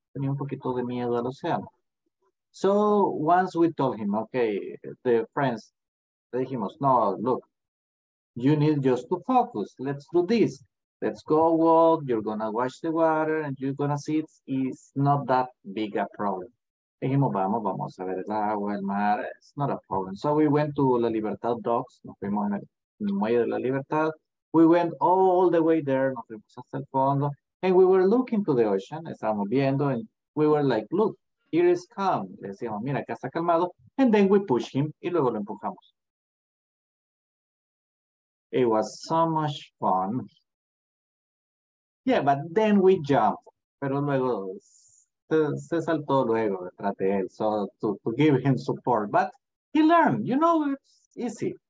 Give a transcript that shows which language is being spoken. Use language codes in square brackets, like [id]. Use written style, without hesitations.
[es] Tenía un poquito de miedo al océano. [en] So once we told him, okay, the friends, [es] le dijimos, no, [en] look, you need just to focus. Let's do this. Let's go walk. You're going to watch the water and you're going to see it's not that big a problem. [es] Le dijimos, vamos a ver el agua, el mar. [en] It's not a problem. So we went to La Libertad docks. [es] Nos fuimos en el muelle de La Libertad. [en] We went all the way there, [es] nos fuimos hasta el fondo, [en] and we were looking to the ocean, [es] estábamos viendo, [en] and we were like, look, here is calm. [es] Le decíamos, mira, acá está calmado, [en] and then we push him, [es] y luego lo empujamos. [en] It was so much fun. Yeah, but then we jumped, [es] pero luego se saltó luego detrás de él, [en] so to give him support, but he learned, you know, it's easy.